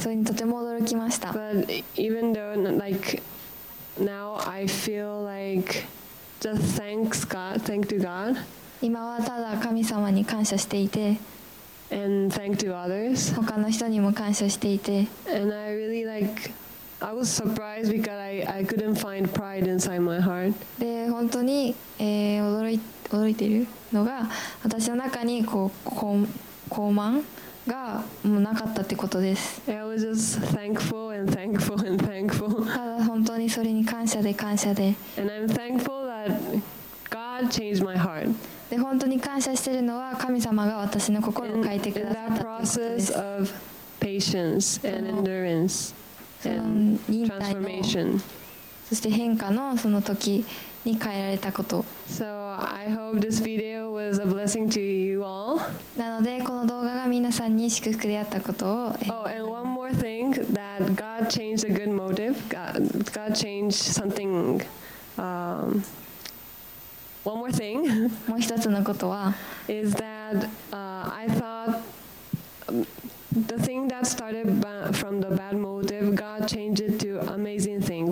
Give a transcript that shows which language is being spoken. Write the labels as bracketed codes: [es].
[ja] それにとても驚きました。 [en] But even though like now I feel like just thanks God, thank to God. [ja] 今はただ神様に感謝していて。 [en] And thank to others. [ja] 他の人にも感謝していて。 [en] And I really like I was surprised because I couldn't find pride inside my heart. [ja] で本当に、驚いているのが私の中にこう高慢がもうなかったってことです。 [en] I was just thankful and thankful and thankful. [ja] ただ本当にそれに感謝で感謝で。 [en] And I'm thankful that God changed my heart. [ja] で本当に感謝してるのは神様が私の心を変えてくださったことです。 [en] That process of patience and endurance and transformation. [ja] そして変化のその時に変えられたこと。 [en] So I hope this video was a blessing to you all. [ja] なのでこの動画が皆さんに祝福であったことを。 [en] Oh, and one more thing that God changed a good motive. God changed something. One more thing. [ja] もう一つのことは。 [en] Is that I thought the thing that started from the bad motive, God changed it to amazing thing.